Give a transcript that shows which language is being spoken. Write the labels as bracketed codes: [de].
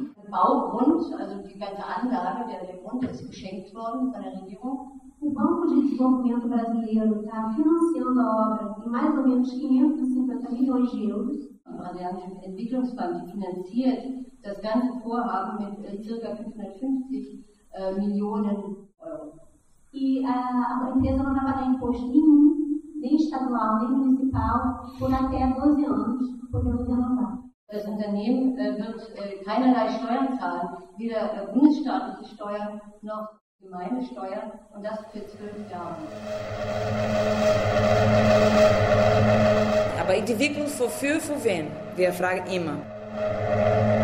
[de] Baugrund, also die ganze Anlage, der Grund ist geschenkt worden von der Regierung. [pt] O Banco de Desenvolvimento Brasileiro está financiando a obra em mais ou menos 550 milhões de euros. [de] O Brasilianische Entwicklungsbank finanziert das ganze Vorhaben mit circa 550 Millionen Euro. [pt] E a empresa não vai pagar imposto nenhum, nem estadual, nem municipal, por até 12 anos, porque não tem nada. [de] Das Unternehmen wird keinerlei Steuern zahlen, weder bundesstaatliche Steuern noch Gemeindesteuern, und das für 12 Jahre. Aber Entwicklung wofür, für wen? Wir fragen immer.